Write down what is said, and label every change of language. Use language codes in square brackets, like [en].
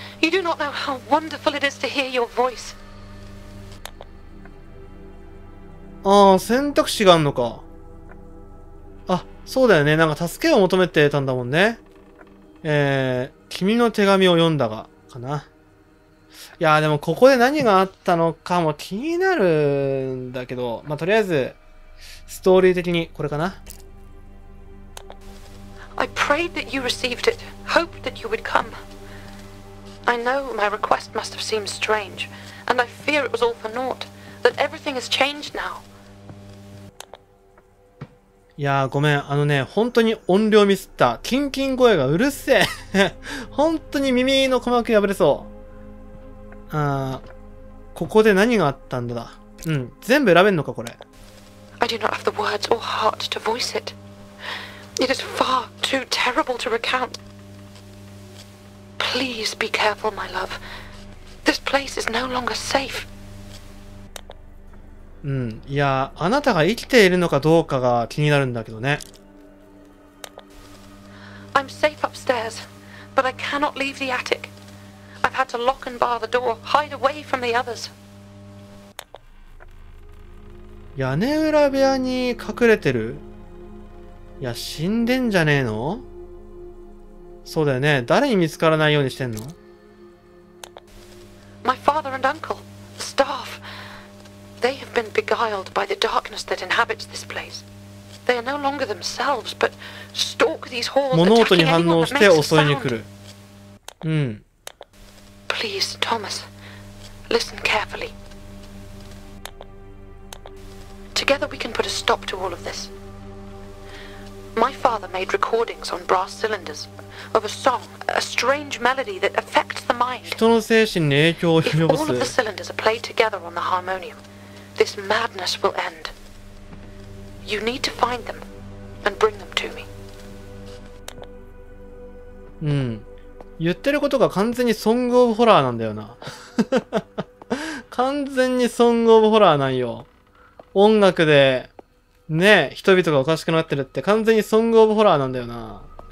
[en] You do not know how wonderful it is to hear your voice. [ja] ああ、選択肢があるのか。あ、そうだよね。なんか助けを求めてたんだもんね。君の手紙を読んだが、かな。いやーでもここで何があったのかも気になるんだけど、まあ、とりあえず、ストーリー的にこれかな。 [en] I prayed that you received it, hoped that you would come. I know my request must have seemed strange, and I fear it was all for naught, that everything has changed now. [ja] いやーごめん。あのね、本当に音量ミスった。キンキン声がうるせえ。本当に耳の鼓膜破れそう。あー、ここで何があったんだ。うん、全部選べんのか、これ。 [en] I do not have the words or heart to voice it. It is far too terrible to recount. Please be careful, my love. This place is no longer safe. [ja] うん。いや、あなたが生きているのかどうかが気になるんだけどね。 [en] I'm safe upstairs, but I cannot leave the attic. I've had to lock and bar the door, hide away from the others. [ja] 屋根裏部屋に隠れてる？いや、死んでんじゃねえの？そうだよね。誰に見つからないようにしてんの？ [en] My father and uncle, the staff. They have been beguiled by the darkness that inhabits this place. They are no longer themselves, but stalk these halls, attacking anyone that makes a sound. [ja] うん。 [en] Please, Thomas, listen carefully. Together we can put a stop to all of this. My father made recordings on brass cylinders of a song, a strange melody that affects the mind. [ja] 人の精神に影響を及ぼす。 [en] If all of the cylinders are played together on the harmonium,This madness will end. You need to find them and bring them to me. [ja] うん。言ってることが完全にソングオブホラーなんだよな。完全にソングオブホラーなんよ。音楽で、ね、人々がおかしくなってるって完全にソングオブホラーなんだよな。